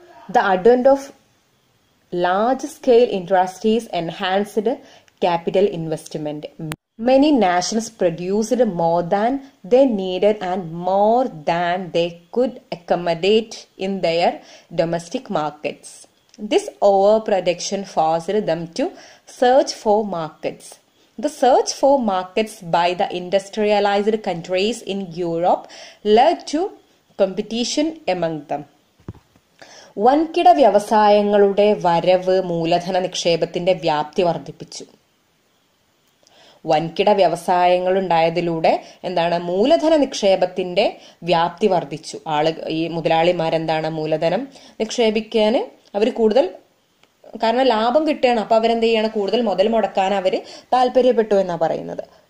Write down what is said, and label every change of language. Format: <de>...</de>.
<en>The advent of large scale industries enhanced capital investment. Many nationals produced more than the needed and more than the could accommodate in their domestic markets. This overproduction forced them to search for markets. The search for markets by the industrialized countries in Europe led to competition among them.</en> <ml>വൻകിട വ്യവസായങ്ങളുടെ വരവ് മൂലധന നിക്ഷേപത്തിന്റെ വ്യാപ്തി വർദ്ധിപ്പിച്ചു. വൻകിട വ്യവസായങ്ങൾ ഉണ്ടായതിലൂടെ എന്താണ് മൂലധന നിക്ഷേപത്തിന്റെ വ്യാപ്തി വർദ്ധിച്ചു. ഈ മുതലാളിമാർ എന്താണ് മൂലധനം നിക്ഷേപിക്കാൻ അവർ കൂടുതൽ, കാരണം ലാഭം കിട്ടുകയാണ്, അപ്പൊ അവരെന്ത് ചെയ്യാണ് കൂടുതൽ മുതൽ മുടക്കാൻ അവർ താല്പര്യപ്പെട്ടു എന്നാ പറയുന്നത്.</ml>